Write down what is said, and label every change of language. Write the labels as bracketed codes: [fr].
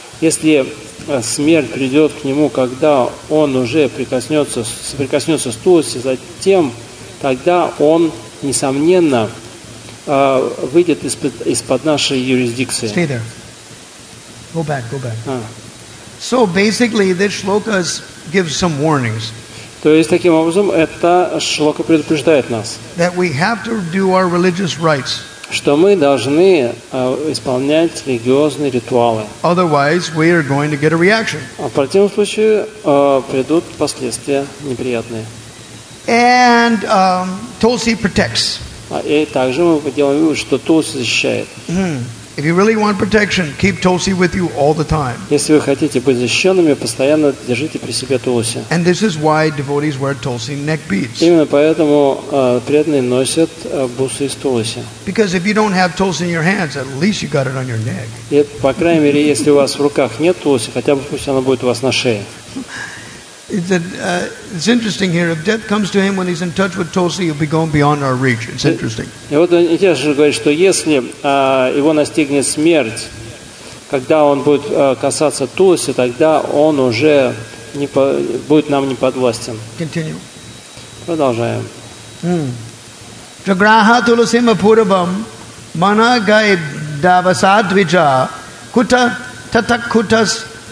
[ru] Если смерть придет к нему, когда он уже соприкоснется с тулусе, затем тогда он, несомненно, выйдет из-под нашей юрисдикции. [en] Stay there. Go back. So basically, this shloka gives some warnings. [ru] То есть, таким образом, эта шлока предупреждает нас, [en] that we have to do our religious rites, [ru] что мы должны исполнять религиозные ритуалы. [en] Otherwise, we are going to get a reaction. [ru] А в противном случае придут последствия неприятные. [en] And Tulsi protects. [ru] И также мы делаем вывод, что Тулси защищает. [en] If you really want protection, keep Tulsi with you all the time. [ru] Если вы хотите быть защищенными, постоянно держите при себе Тулси. [en] And this is why devotees wear Tulsi neck beads. [ru] Именно поэтому преданные носят бусы из Тулси. [en] Because if you don't have Tulsi in your hands, at least you got it on your neck. [ru] И по крайней мере, если у вас в руках нет Тулси, хотя бы пусть она будет у вас на шее. [en] It's interesting here. If death comes to him when he's in touch with Tulsi, he'll be gone beyond our reach. It's interesting. [ru] И вот он интересно говорит, что если его настигнет смерть, когда он будет касаться Тулси, тогда он уже будет нам не подвластен. [en] Continue. [ru] Продолжаем. [sa] Jagraha Tulsi Mapurvam Mana Gai Davasadvija Kuta Tatak Kutas.